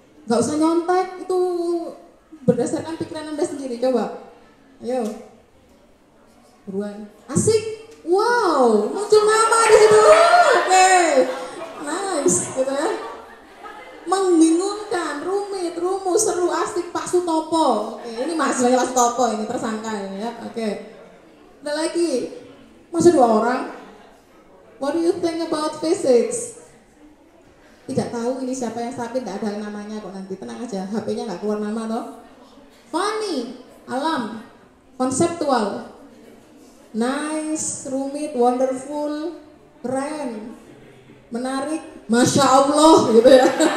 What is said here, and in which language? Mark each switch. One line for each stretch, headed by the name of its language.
Indonesian: Gak usah nyontek, itu berdasarkan pikiran Anda sendiri, coba. Ayo. Buruan. Asik. Wow, muncul nama di situ. Oke. Okay. Nice, gitu ya. Membingungkan, rumit, rumus, seru, asik, Pak Sutopo. Oke, okay. Ini masih lagi Pak Sutopo, ini tersangka ini ya. Oke. Okay. Ada lagi. Masih dua orang.
English: What do you think about physics?
Indonesian: tidak tahu ini siapa yang sakit, tidak ada namanya kok nanti, tenang aja, HP-nya nggak keluar nama toh. Funny, alam, konseptual, nice, rumit, wonderful, keren, menarik, Masya Allah gitu ya.